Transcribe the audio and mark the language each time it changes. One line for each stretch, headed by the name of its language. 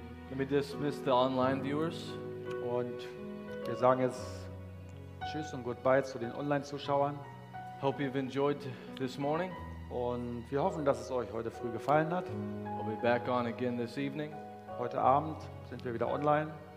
English: Let me dismiss the online viewers.
German: Und wir sagen jetzt Tschüss und Goodbye zu den Online-Zuschauern.
English: Hope you've enjoyed this morning.
German: Und wir hoffen, dass es euch heute früh gefallen hat.
English: We'll be back on again this evening.
German: Heute Abend sind wir wieder online.